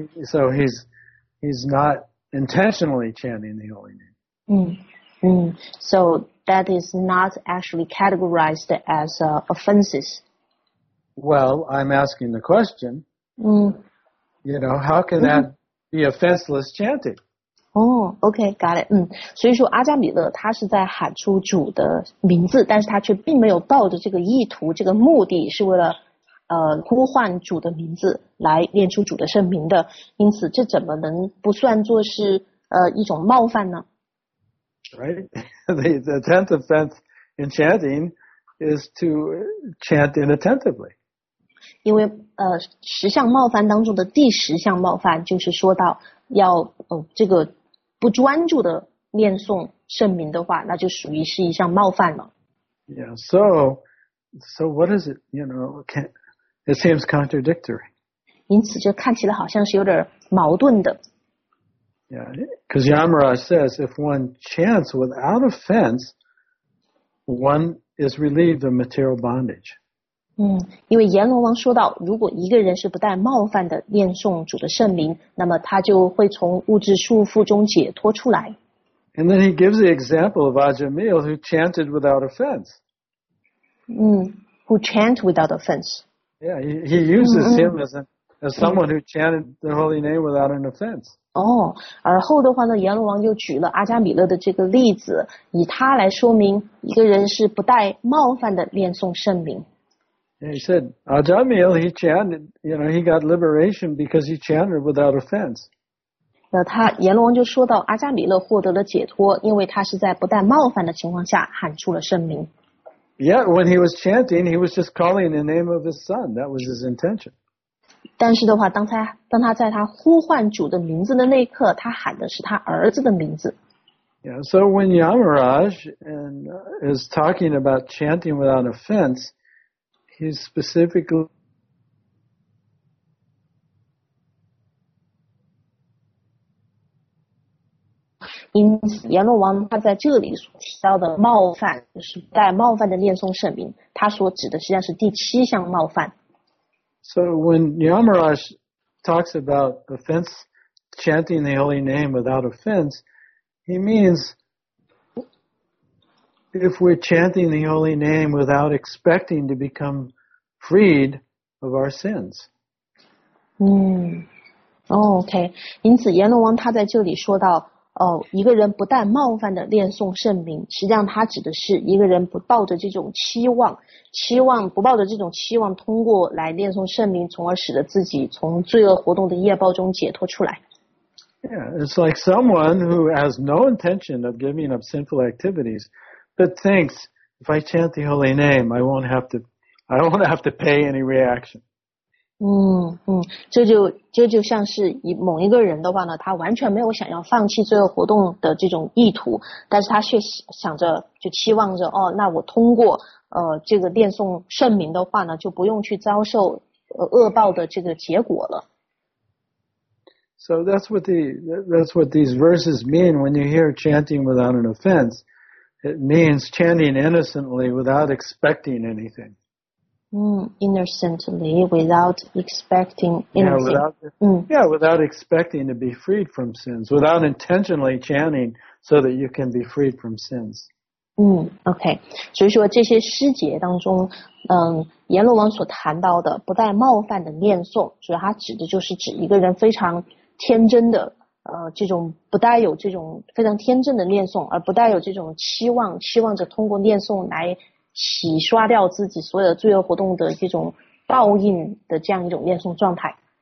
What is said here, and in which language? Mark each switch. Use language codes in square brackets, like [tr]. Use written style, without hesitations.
[en] So he's not... intentionally chanting the holy name. So that is not actually categorized as offenses. Well, I'm asking the question, you know, how can that be offenseless chanting? Oh, okay, got it. [zh] 所以说阿加米勒他是在喊出主的名字，但是他却并没有抱着这个意图，这个目的是为了呼唤主的名字来念出主的圣名的，因此这怎么能不算作是一种冒犯呢 [en] ？Right, the tenth offense in chanting is to chant inattentively. [zh] 因为十项冒犯当中的第十项冒犯就是说到要这个不专注的念诵圣名的话，那就属于是一项冒犯了。 [en] Yeah, so what is it? You know, can It seems contradictory. [zh] 因此就看起来好像是有点矛盾的。 [en] Yeah, because Yamaraj says if one chants without offense, one is relieved of material bondage. [zh] 因为阎罗王说到，如果一个人是不带冒犯的念诵主的圣名，那么他就会从物质束缚中解脱出来。 [en] And then he gives the example of Ajamil who chanted without offense. Who chant without offense. Yeah, he uses him as someone who chanted the holy name without an offense. [zh] 而后的话呢，阎罗王又举了阿加米勒的这个例子，以他来说明一个人是不带冒犯的念诵圣名。 [en] Yeah, he said, Ajamil, he chanted, you know, he got liberation because he chanted without offense. [zh] 那他阎罗王就说到阿加米勒获得了解脱，因为他是在不带冒犯的情况下喊出了圣名。 [en] Yet when he was chanting, he was just calling the name of his son. That was his intention. [zh] 但是的话，当他在他呼唤主的名字的那一刻，他喊的是他儿子的名字。 [en] Yeah. So when Yamaraj is talking about chanting without offense, he's specifically [zh] 因此，阎罗王他在这里所提到的冒犯，就是带冒犯的念诵圣名，他所指的实际上是第七项冒犯。 [en] So when Yamaraj talks about offense, chanting the holy name without offense, he means if we're chanting the holy name without expecting to become freed of our sins. OK. [zh] 因此，阎罗王他在这里说到。一个人不但冒犯的念诵圣名，实际上他指的是一个人不抱着这种期望，通过来念诵圣名，从而使得自己从罪恶活动的业报中解脱出来。 [en] Yeah, it's like someone who has no intention of giving up sinful activities, but thinks if I chant the holy name, I won't have to pay any reaction. [zh] 这就像是某一个人的话呢，他完全没有想要放弃罪恶活动的这种意图，但是他却想着就期望着那我通过这个念诵圣名的话呢，就不用去遭受恶报的这个结果了。 [en] So that's what these verses mean when you hear chanting without an offense. It means chanting innocently without expecting anything. Innocently, without expecting anything. Without expecting to be freed from sins, without intentionally chanting so that you can be freed from sins. [zh] OK, 所以说这些诗节当中，阎罗王所谈到的不带冒犯的念诵，主要他指的就是指一个人非常天真的，这种不带有这种非常天真的念诵，而不带有这种期望着通过念诵来洗刷掉自己所有的罪恶活动的这种报应的这样一种念诵状态。